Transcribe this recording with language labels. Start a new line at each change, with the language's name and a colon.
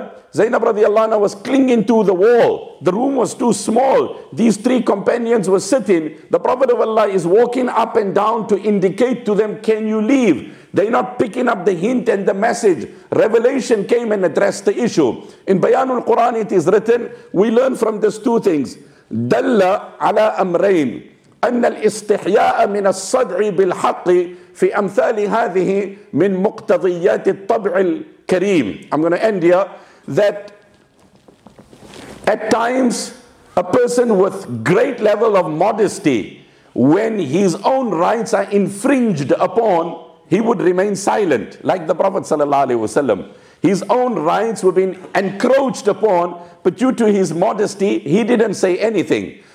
English: Zainab radiallahu anha was clinging to the wall. The room was too small. These three companions were sitting. The Prophet of Allah is walking up and down to indicate to them, can you leave? They're not picking up the hint and the message. Revelation came and addressed the issue. In Bayanul Quran it is written, we learn from this two things.
Arabic: دل على أمرين أن الاستحياء من الصدع بالحق في أمثال هذه من مقتضيات الطبع الكريم.
English: I'm going to end here. That at times a person with great level of modesty, when his own rights are infringed upon, he would remain silent, like the Prophet sallallahu alaihi wasallam. His own rights were being encroached upon, but due to his modesty, he didn't say anything.